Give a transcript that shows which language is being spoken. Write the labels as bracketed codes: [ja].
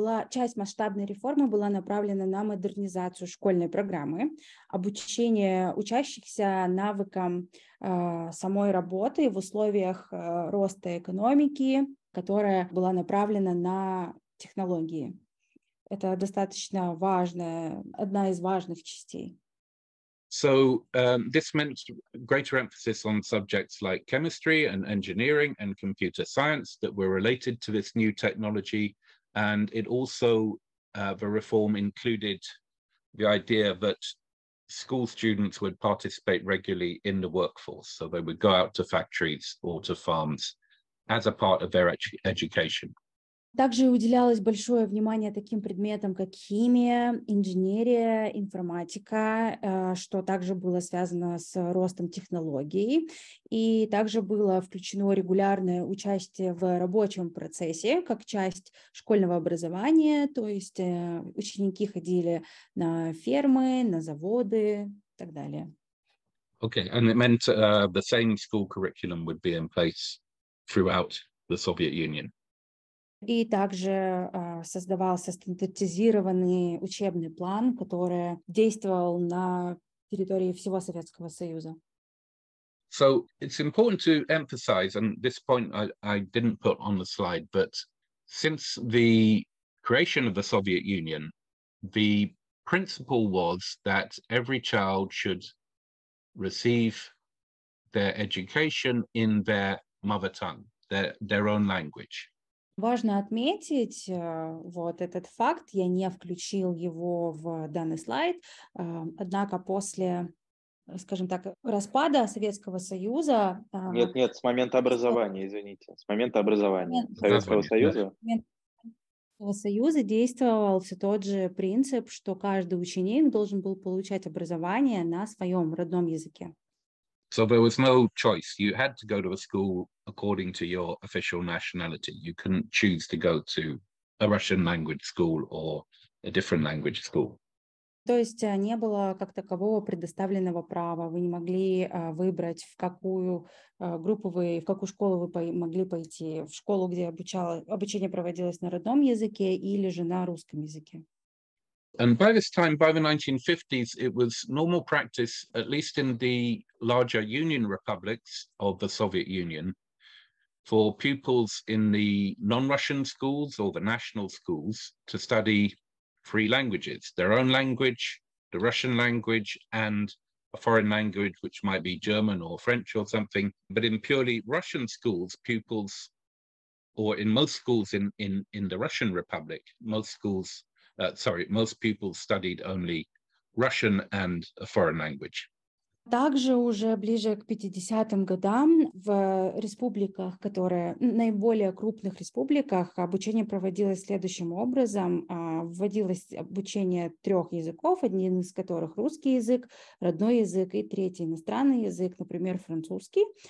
[ru] Часть масштабной реформы была направлена на модернизацию школьной программы, обучение учащихся навыкам самой работы в условиях роста экономики, которая была направлена на технологии. Это достаточно важная, одна из важных частей. [en] So this meant greater emphasis on subjects like chemistry and engineering and computer science that were related to this new technology. And it also, the reform included the idea that school students would participate regularly in the workforce. So they would go out to factories or to farms as a part of their education. [ru] Также уделялось большое внимание таким предметам, как химия, инженерия, информатика, что также было связано с ростом технологий. И также было включено регулярное участие в рабочем процессе как часть школьного образования, то есть ученики ходили на фермы, на заводы и так далее. [en] Okay, and it meant the same school curriculum would be in place throughout the Soviet Union. [ru] И также создавался стандартизированный учебный план, который действовал на территории всего Советского Союза. [en] So it's important to emphasize, and this point I didn't put on the slide, but since the creation of the Soviet Union, the principle was that every child should receive their education in their mother tongue, their own language. [ru] Важно отметить вот этот факт. Я не включил его в данный слайд. Однако после, скажем так, распада Советского Союза... Нет, с момента образования, извините. С момента образования Советского Союза. Союза действовал все тот же принцип, что каждый ученик должен был получать образование на своем родном языке. [en] So there was no choice. You had to go to a school according to your official nationality. You couldn't choose to go to a Russian language school or a different language school. [ru] То есть не было как такового предоставленного права. Вы не могли выбрать, в какую группу вы, в какую школу вы могли пойти. В школу, где обучение проводилось на родном языке или же на русском языке. [en] And by this time, by the 1950s, it was normal practice, at least in the larger union republics of the Soviet Union, for pupils in the non-Russian schools or the national schools to study three languages, their own language, the Russian language, and a foreign language, which might be German or French or something. But in purely Russian schools, pupils, or in most schools in the Russian Republic, most pupils studied only Russian and a foreign language. [ru] Также уже ближе к 50-м годам в республиках, которые наиболее крупных республиках, обучение проводилось следующим образом. Вводилось обучение трех языков, один из которых русский язык, родной язык и третий иностранный язык, например, французский.